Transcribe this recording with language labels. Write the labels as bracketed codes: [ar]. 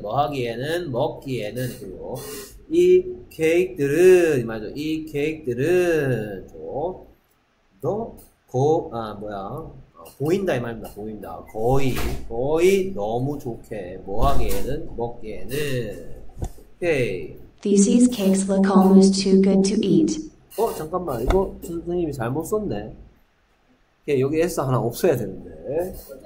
[ko] 뭐 하기에는, 먹기에는, 그리고. 이 케이크들은 맞아. 이 케이크들은 더 고 아 뭐야 보인다 이 말입니다. 보인다. 거의 너무 좋게 뭐하기에는 먹기에는. 오케이. [en] These cakes look almost too good to eat. [ko] 어 잠깐만 이거 선생님이 잘못 썼네. 오케이, 여기 S 하나 없어야 되는데.